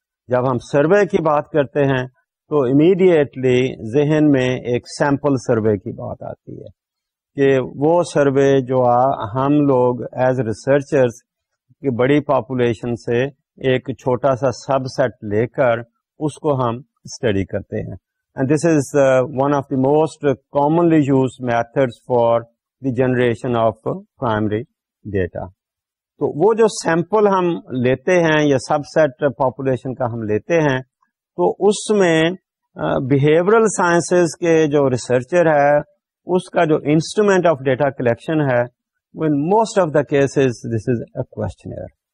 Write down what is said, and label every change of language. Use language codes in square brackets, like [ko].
[ur] جب ہم سروے کی بات کرتے ہیں تو امیڈیٹلی ذہن میں ایک سیمپل سروے کی بات آتی ہے کہ وہ سروے جو ہم لوگ ایز ریسرچرز کی بڑی پاپولیشن سے ایک چھوٹا سا سب سیٹ لے کر اس کو ہم اسٹڈی کرتے ہیں. [en] And this is one of the most commonly use methods for the generation of primary data. [ur] تو وہ جو سیمپل ہم لیتے ہیں یا سب سیٹ پاپولیشن کا ہم لیتے ہیں, تو اس میں بیہیورل سائنسز کے جو ریسرچر ہے اس کا جو انسٹرومینٹ آف ڈیٹا کلیکشن ہے, [en] In most of the cases this is a questionnaire.